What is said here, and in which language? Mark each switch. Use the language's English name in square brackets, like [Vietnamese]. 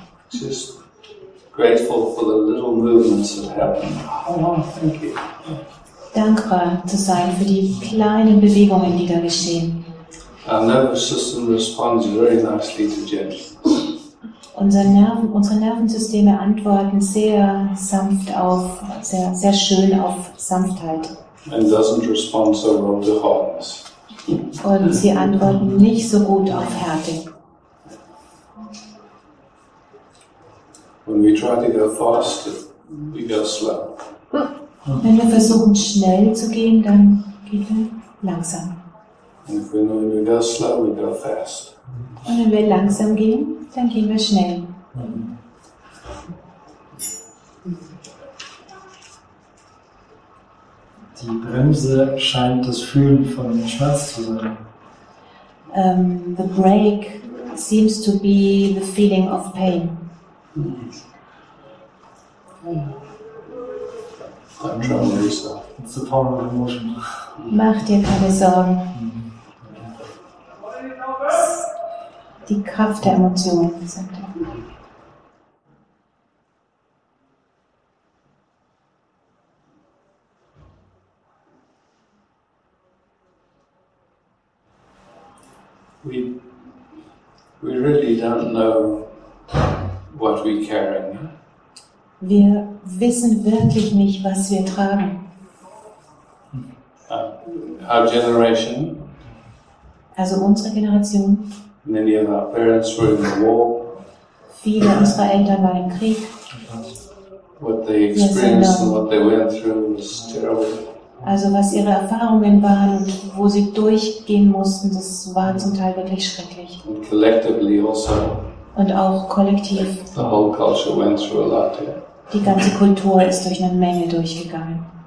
[English] Just grateful for the little movements that happen. Oh, thank you. [German] Dankbar zu sein für die kleinen Bewegungen, die da geschehen. [English] Our nervous system responds very nicely to gentleness. [German] Unsere Nervensysteme antworten sehr sanft auf, sehr, sehr schön auf Sanftheit. [English] And doesn't respond so well to hardness. [German] Und sie antworten nicht so gut auf Härte. [English] When we try to go fast, we go slow. [German] Wenn wir versuchen, schnell zu gehen, dann gehen wir langsam. [English] And if we go slow, we go fast. [German] Und wenn wir langsam gehen, dann gehen wir schnell. Die Bremse scheint das Fühlen von Schmerz zu sein. [English] The brake seems to be the feeling of pain. Don't trouble yourself. It's the power of emotion. [German] Mach dir keine Sorgen. Die Kraft der Emotionen, sagt er. [English] We really don't know what we carry. [German] Wir wissen wirklich nicht, was wir tragen. [English] Our generation. [German] Also unsere Generation. [English] Many of our parents were in the war. [German] Viele unserer Eltern waren im Krieg. [English] What they experienced and what they went through was terrible. [German] Also was ihre Erfahrungen waren und wo sie durchgehen mussten, das war zum Teil wirklich schrecklich. [English] And collectively also. [German] Und auch kollektiv. [English] The whole culture went through a lot. Yeah. [German] Die ganze Kultur ist durch eine Menge durchgegangen.